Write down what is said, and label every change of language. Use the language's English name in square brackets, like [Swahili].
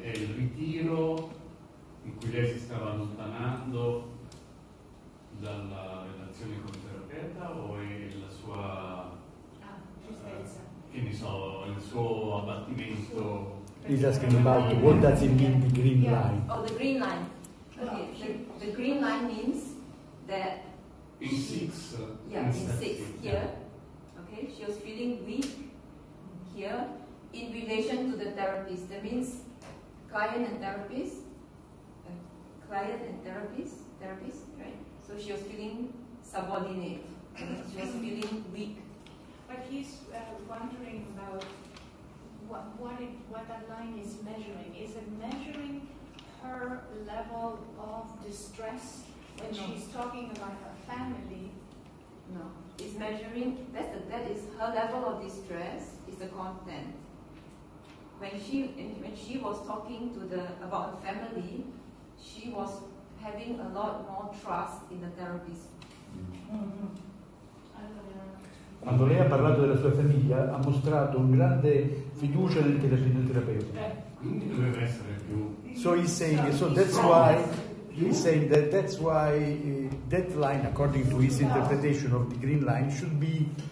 [Italian] È il ritiro in cui lei si stava allontanando dalla relazione con il terapeuta o è la sua tristezza, il suo abbattimento? [English] He's asking about what does it mean, the green line? Oh, the green line. Okay, the green line means that in six here. Okay, she was feeling weak here in relation to the therapist. That means client and therapist. Client and therapist, right? So she was feeling subordinate. She was feeling weak. But he's wondering about what that line is measuring. Is it measuring her level of distress when she's talking about her family? No. It's measuring, that is her level of distress is the content. When she was talking to about her family, she was having a lot more trust in the therapist. [Italian] Quando lei ha parlato della sua famiglia, ha mostrato un grande fiducia nel terapeuta. Quindi doveva essere più. [English] So he's saying, so that's why he's saying that that's why that line, according to his interpretation of the green line, should be